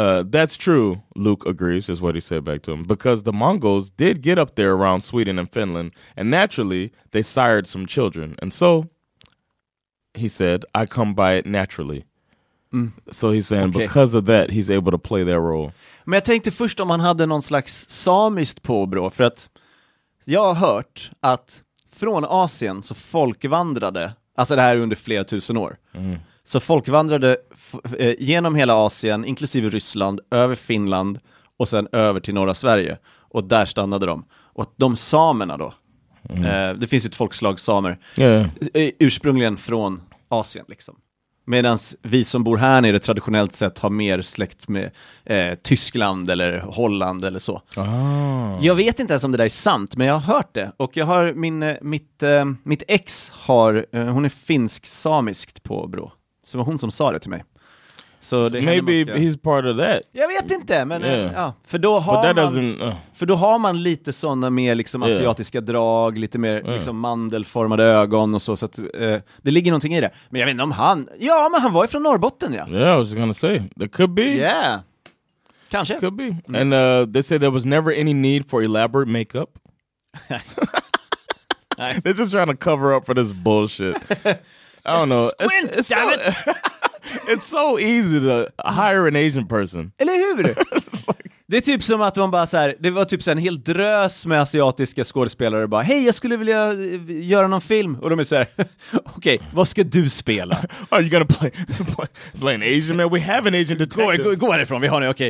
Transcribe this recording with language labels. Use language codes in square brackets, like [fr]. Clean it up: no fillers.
[en] That's true, Luke agrees, is what he said back to him. Because the Mongols did get up there around Sweden and Finland, and naturally, they sired some children. And so, he said, I come by it naturally. Mm. So he's saying, okay, because of that, he's able to play that role. [sv] Men jag tänkte först om han hade någon slags samiskt påbrå, för att jag har hört att från Asien så folkvandrade, alltså det här under flera tusen år, så folkvandrade genom hela Asien, inklusive Ryssland, över Finland och sen över till norra Sverige. Och där stannade de. Och de samerna då, det finns ju ett folkslag samer, ursprungligen från Asien liksom. Medan vi som bor här nere traditionellt sett har mer släkt med Tyskland eller Holland eller så. Aha. Jag vet inte ens om det där är sant, men jag har hört det. Och jag har mitt ex har, hon är finsk-samiskt på bro. Så det var hon som sa det till mig. Så det [en] maybe [sv] ska... [en] he's part of that. [sv] Jag vet inte, men för då har man lite såna mer liksom asiatiska drag, lite mer liksom mandelformade ögon och så att det ligger någonting i det. Men jag vet inte om han. Ja, men han var ju från Norrbotten, ja. [en] Yeah, I was gonna say. That could be. Yeah. [sv] Kanske. [en] Could be. Mm. And they said there was never any need for elaborate makeup. They're just trying to cover up for this bullshit. I don't know. Squint, damn it. It's so easy to hire an Asian person. [sv] Eller hur? Det är typ som att man bara så här, det var typ så en hel drös med asiatiska skådespelare bara, hej, jag skulle vilja göra någon film. Och de är så här, okej, okay, vad ska du spela? [en] Are you gonna play an Asian man? We have an Asian detective. [sv] Gå härifrån, vi har nu, okej.